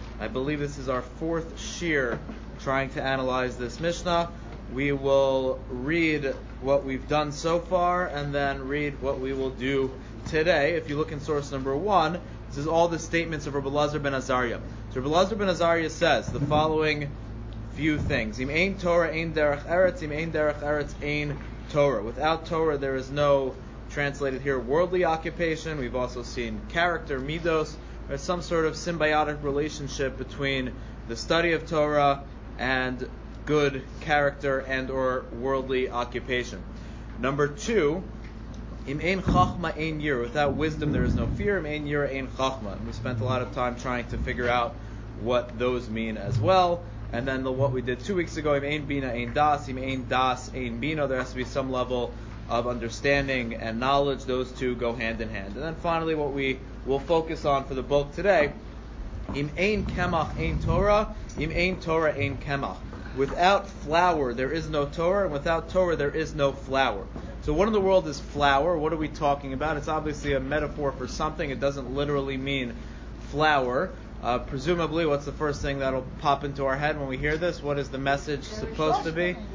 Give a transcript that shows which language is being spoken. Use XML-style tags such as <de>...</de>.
<en>I believe this is our fourth shir trying to analyze this Mishnah. We will read what we've done so far and then read what we will do today. If you look in source number one, this is all the statements of Rabbi Elazar ben Azariah. So Rabbi Elazar ben Azariah says the following few things.</en> <he>Im ein Torah, ein derech eretz. Im ein derech eretz, ein Torah.</he> <en>Without Torah, there is no, translated here, worldly occupation. We've also seen character, midos, or some sort of symbiotic relationship between the study of Torah and good character and or worldly occupation. Number two,</en> <he>im ein chachma ein yir,</he> <en>without wisdom there is no fear,</en> <he>im ein yir ein chachma.</he> <en>And we spent a lot of time trying to figure out what those mean as well. And then what we did 2 weeks ago,</en> <he>im ein bina ein das, im ein das ein bina,</he> <en>there has to be some level of understanding and knowledge. Those two go hand in hand. And then finally, what we will focus on for the bulk today,</en> <he>im ein kemach ein Torah, im ein Torah ein kemach.</he> <en>Without flour, there is no Torah, and without Torah, there is no flour. So what in the world is flour? What are we talking about? It's obviously a metaphor for something. It doesn't literally mean flour. Presumably, what's the first thing that'll pop into our head when we hear this? What is the message supposed to be?</en>